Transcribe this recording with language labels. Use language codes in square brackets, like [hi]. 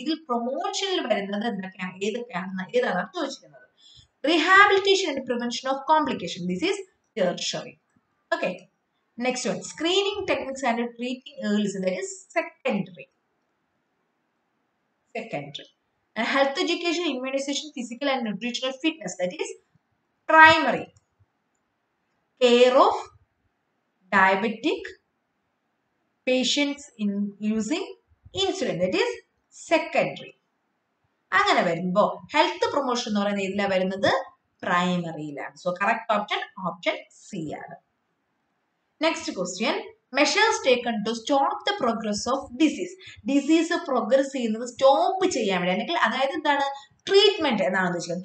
[ml] ഇതിൽ പ്രൊമോഷനിൽ വരുന്നത് എന്തൊക്കെയാണ്, ഏതൊക്കെയാണെന്ന് ഏതാണ് ചോദിച്ചിരുന്നത്? [en] Rehabilitation and prevention of complication, this is tertiary. Okay, next one, screening techniques and treating ills, that is secondary. And health education, immunization, physical and nutritional fitness, that is primary. Care of diabetic patients in using insulin, that is secondary. [ml] അങ്ങനെ വരുമ്പോ health promotion എന്ന് പറയുന്നത് ഇതിലാണ് വരുന്നത്, പ്രൈമറിയിലാണ്. [en] so correct option option [ml] C ആണ്. [en] Next question, measures taken to stop the progress of disease. [ml] Disease progress ചെയ്യുന്നത് stop ചെയ്യാൻ വേണ്ടി, അല്ലെങ്കിൽ അതായത് എന്താണ് ട്രീറ്റ്മെന്റ് എന്നാണ് ചോദിച്ചത്.